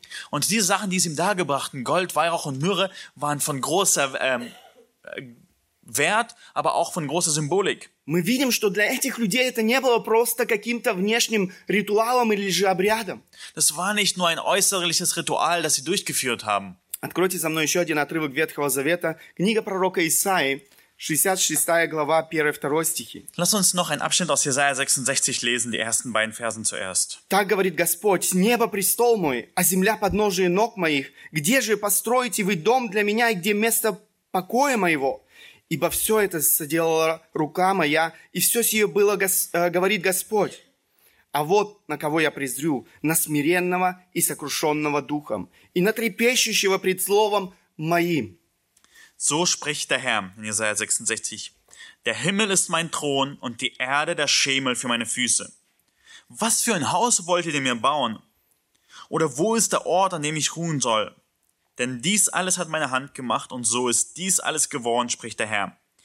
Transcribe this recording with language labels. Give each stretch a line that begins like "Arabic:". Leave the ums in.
German: Und diese Sachen, die sie ihm dargebrachten, Gold, Weihrauch und Myrrhe, waren von großer ähm, Wert, aber auch von großer Symbolik.
Russian: Мы видим, что для этих людей это не было просто каким-то внешним ритуалом или же обрядом.
German: Das war nicht nur ein äußerliches Ritual, das sie durchgeführt haben.
Russian: Откройте со мной еще один отрывок Ветхого Завета. Книга пророка Исаии, 66 глава, 1-2 стихи.
German: Lass uns noch einen Abschnitt aus Jesaja 66 lesen, die ersten beiden Versen zuerst.
Russian: Так говорит Господь, небо престол мой, а земля подножие ног моих. Где же построите вы дом для меня и где место покоя моего, ибо все это соделала рука моя, и все сие было, гос- говорит Господь. А вот на кого я презрю, на смиренного и сокрушенного духом, и на трепещущего пред словом моим.
German: So spricht der Herr, in Isaiah 66, Der Himmel ist mein Thron und die Erde der Schemel für meine Füße. Was für ein Haus wolltet ihr mir bauen? Oder wo ist der Ort, an dem ich ruhen soll? denn dies alles hat meine Hand gemacht und so ist dies alles geworden, spricht der Herr.